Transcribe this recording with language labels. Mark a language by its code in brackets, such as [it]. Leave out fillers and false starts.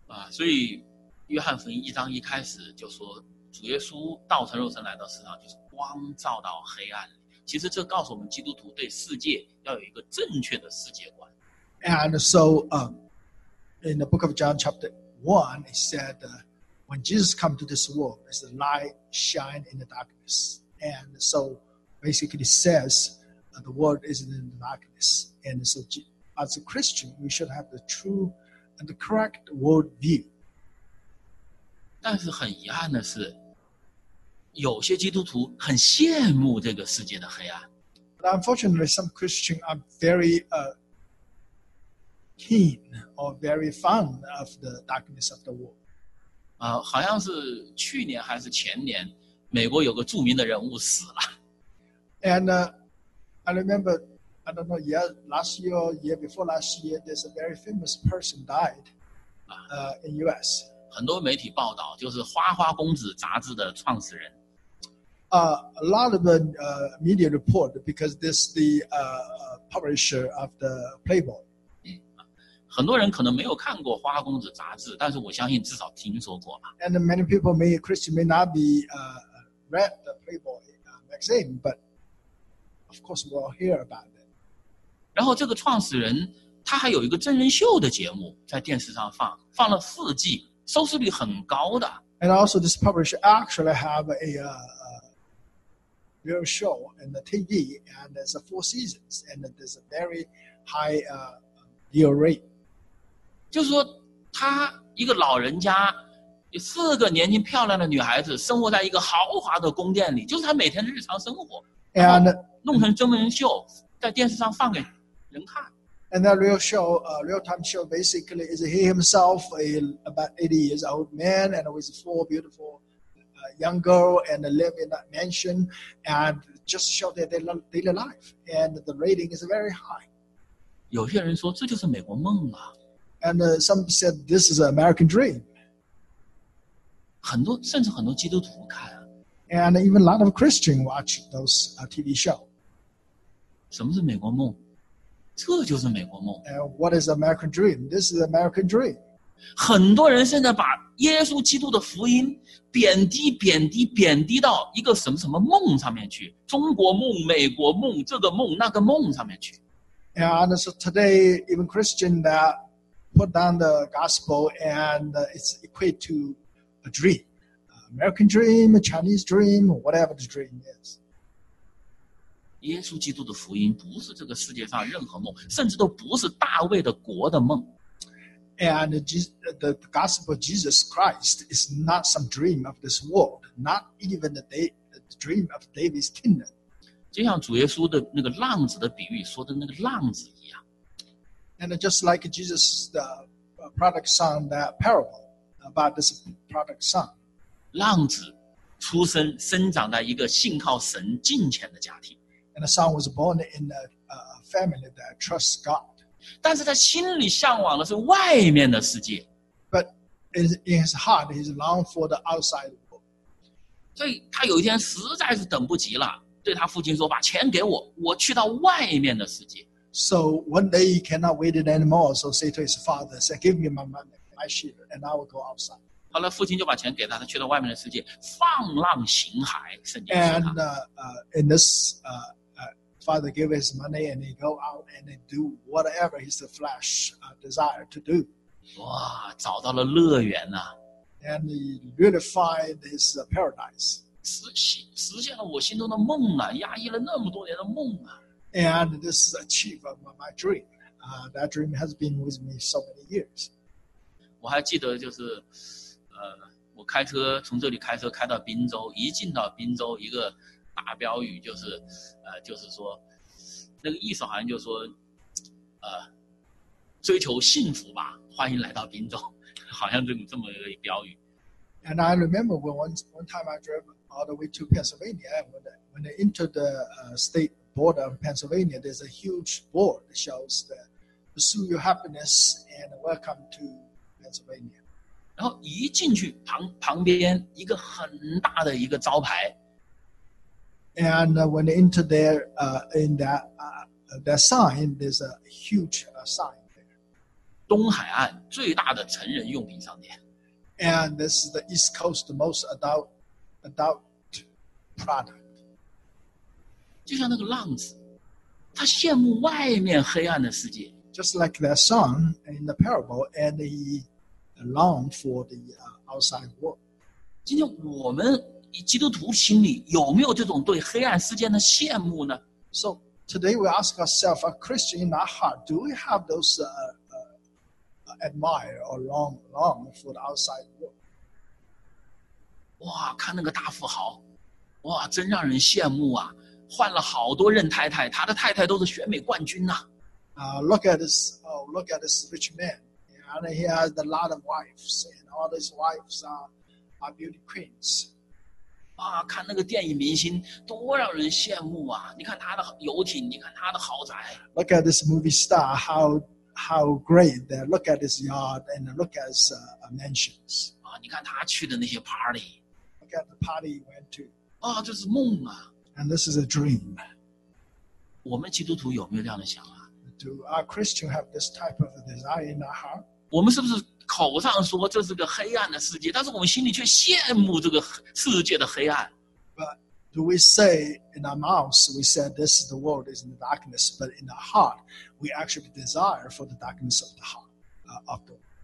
[zh] 所以约翰福音一章一开始就说主耶稣道成肉身来到世上就是光照到黑暗里。其实这告诉我们基督徒对世界要有一个正确的世界观。 [en] And so,in the book of John chapter 1, it said, when Jesus comes to this world, it's the light shine in the darkness. And so basically it says, the world is in the darkness. And so as a Christian, we should have the true and the correct world view. [zh] 但是很遗憾的是，有些基督徒很羡慕这个世界的黑暗。 [en] But unfortunately, some Christians are very, keen or very fond of the darkness of the world. [zh] 好像是去年还是前年，美国有个著名的人物死了。 [en] And I remember, I don't know, yeah, last year, year before last year, there's a very famous person died. In U.S. [zh] 很多媒体报道，就是《花花公子》杂志的创始人。 [en] A lot of media report because this the publisher of the Playboy. [zh] 很多人可能没有看过《花花公子》杂志，但是我相信至少听说过吧。 [en] And many people may Christian may not be read the Playboy magazine, but of course we'll hear about it. [zh] 然后这个创始人他还有一个真人秀的节目在电视上放，放了四季，收视率很高的。 [en] And also this publisher actually have a real show on the TV, and there's a four seasons, and there's a very high view rate. [zh] 就是说他一个老人家，有四个年轻漂亮的女孩子生活在一个豪华的宫殿里，就是他每天的日常生活。 [en] And [zh] 弄成真人秀在电视上放给人看。 [en] And that real show, real-time show, basically is he himself, about 80 years old man, and with four beautiful young girls, and live in that mansion, and just show their daily life. And the rating is very high. [zh] 有些人说这就是美国梦啊。 [en] And some said this is an American dream. [zh] 很多甚至很多基督徒看。 [en] And even a lot of Christians watch those TV shows. [zh] 什么是美国梦？这就是美国梦。 [en] What is American dream? This is American dream. [zh] 很多人现在把耶稣基督的福音贬低、贬低、贬低到一个什么什么梦上面去，中国梦、美国梦、这个梦、那个梦上面去。 [en] And so today, even Christians that put down the gospel and it's equated to a dream, American dream, a Chinese dream, whatever the dream is. [zh] 耶稣基督的福音不是这个世界上任何梦，甚至都不是大卫的国的梦。 [en] And the gospel of Jesus Christ is not some dream of this world, not even the dream of David's kingdom. [zh] 就像主耶稣的那个浪子的比喻说的那个浪子一样。 [en] And just like Jesus, the prodigal son, that parable about this prodigal son. [zh] 浪子出生生长在一个信靠神敬虔的家庭。 [en] And a son was born in a family that trusts God. [zh] 但是他心里向往的是外面的世界。 [en] But in his heart, he's longed for the outside world. [zh] 所以他有一天实在是等不及了，对他父亲说：“把钱给我，我去到外面的世界。” [en] So one day he cannot wait it anymore. So say to his father, "Say, give me my money, my share, and I will go outside." [zh] 后来父亲就把钱给他，他去到外面的世界，放浪形骸。 [en] And in this father gave his money and he go out and he do whatever his flesh desire to do. [zh] 哇，找到了乐园啊。 [en] And he really find his paradise. [zh] 实现了我心中的梦啊，压抑了那么多年的梦啊。 [en] And this is achieved my dream. That dream has been with me so many years. [zh] 我还记得就是我开车从这里开车开到宾州，一进到宾州一个大标语就是，就是说，那个意思好像就是说，追求幸福吧，欢迎来到宾州，好像这么一个标语。 [en] And I remember when one time I drove all the way to Pennsylvania, when they entered the state border of Pennsylvania, there's a huge board that shows that pursue your happiness and welcome to Pennsylvania. [zh] 然后一进去旁边一个很大的一个招牌。 [en] And when they enter there, in that sign, there's a huge sign there. [zh] 东海岸最大的成人用品商店。 [en] And this is the East Coast most adult product. [zh] 就像那个浪子，他羡慕外面黑暗的世界。 [en] Just like that son in the parable, and he longed for the outside world. [zh] 今天我们基督徒心里有没有这种对黑暗世界的羡慕呢？ [en] So today we ask ourselves, a Christian in our heart, do we have those admire or long for the outside world? [zh] 哇，看那个大富豪，哇，真让人羡慕啊！换了好多任太太，他的太太都是选美冠军呐。 [en] Look at this rich man, and he has a lot of wives, and all these wives are beauty queens. [zh] 啊，看那个电影明星多让人羡慕啊！你看他的游艇，你看他的豪宅。 [en] Look at this movie star, how great they look at his yard and look at his mansions. [zh] 啊，你看他去的那些 party. [en] Look at the party he went to. [zh] 啊，这是梦啊。 [en] And this is a dream. [zh] 我们基督徒有没有这样的想法？ [en] Do our Christians have this type of desire in our heart? [zh] 我们是不是？口上说这是个黑暗的世界，但是我们心里却羡慕这个世界的黑暗。 [en] But Do we say in our mouths, we said this is the world is in the darkness, but in our heart, we actually desire for the darkness of the heart, of the world.